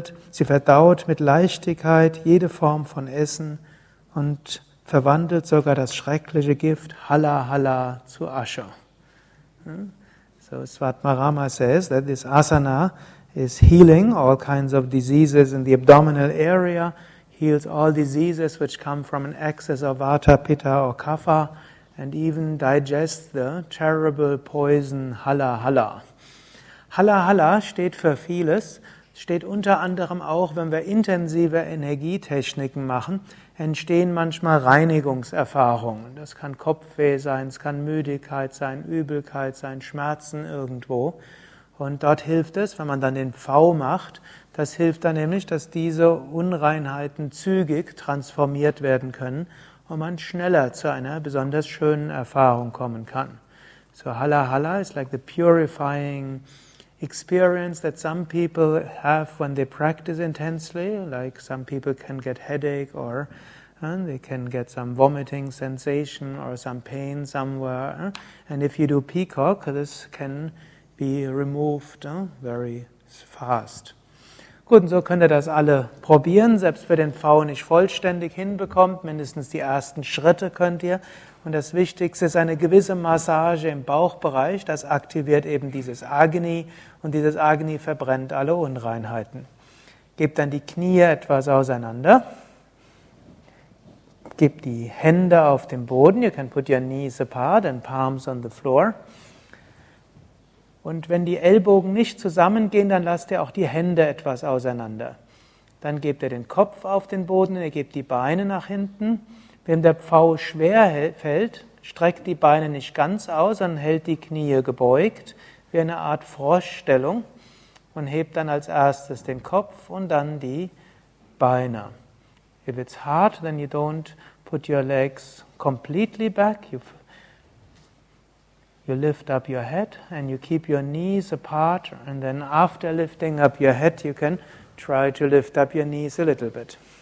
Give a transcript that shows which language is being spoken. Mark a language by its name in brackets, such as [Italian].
[German] Sie verdaut mit Leichtigkeit jede Form von Essen und verwandelt sogar das schreckliche Gift Hala Hala zu Asche. [English] So Svatmarama says that this Asana is healing all kinds of diseases in the abdominal area, heals all diseases which come from an excess of Vata, Pitta or Kapha and even digests the terrible poison Hala Hala. [German] Hala Hala steht für vieles, steht unter anderem auch, wenn wir intensive Energietechniken machen, entstehen manchmal Reinigungserfahrungen. Das kann Kopfweh sein, es kann Müdigkeit sein, Übelkeit sein, Schmerzen irgendwo. Und dort hilft es, wenn man dann den V macht, das hilft dann nämlich, dass diese Unreinheiten zügig transformiert werden können und man schneller zu einer besonders schönen Erfahrung kommen kann. [English] So Hala Hala is like the purifying experience that some people have when they practice intensely, like some people can get headache or they can get some vomiting sensation or some pain somewhere. And if you do peacock, this can be removed very fast. [German] Gut, und so könnt ihr das alle probieren, selbst wenn den V nicht vollständig hinbekommt, mindestens die ersten Schritte könnt ihr. Und das Wichtigste ist eine gewisse Massage im Bauchbereich, das aktiviert eben dieses Agni und dieses Agni verbrennt alle Unreinheiten. Gebt dann die Knie etwas auseinander, gebt die Hände auf den Boden, [English] you can put your knees apart and palms on the floor. [German] Und wenn die Ellbogen nicht zusammengehen, dann lasst ihr auch die Hände etwas auseinander. Dann gebt ihr den Kopf auf den Boden, ihr gebt die Beine nach hinten. Wenn der Pfau schwer fällt, streckt die Beine nicht ganz aus, sondern hält die Knie gebeugt, wie eine Art Froschstellung, und hebt dann als erstes den Kopf und dann die Beine. [English] If it's hard, then you don't put your legs completely back. You lift up your head and you keep your knees apart and then after lifting up your head you can try to lift up your knees a little bit.